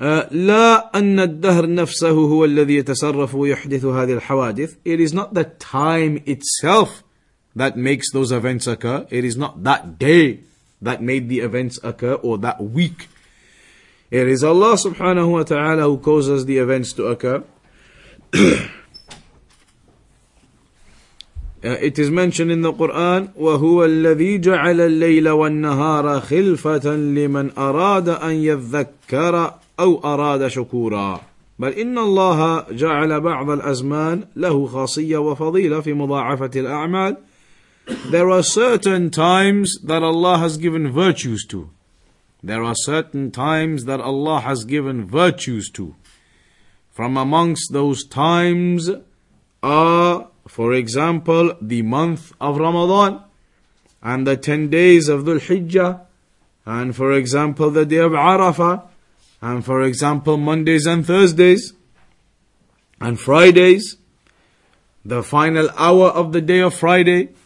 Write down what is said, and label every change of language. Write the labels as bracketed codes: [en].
[ar] لا أن الدهر نفسه هو الذي يتصرف ويحدث هذه الحوادث. [en] It is not the time itself that makes those events occur. It is not that day that made the events occur or that week. It is Allah subhanahu wa ta'ala who causes the events to occur. It is mentioned in the Quran, [ar] وَهُوَ الَّذِي جَعَلَ اللَّيْلَ وَالنَّهَارَ خِلْفَةً لِمَنْ أَرَادَ أَنْ يَذَّكَّرَ أَوْ أَرَادَ شُكُورًا. بل إن الله جعل بعض الأزمان له خاصية وفضيلة في مضاعفة الأعمال. [en] There are certain times that Allah has given virtues to. There are certain times that Allah has given virtues to. From amongst those times are, for example, the month of Ramadan and the 10 days of Dhul Hijjah, and for example, the day of Arafah, and for example, Mondays and Thursdays and Fridays, the final hour of the day of Friday.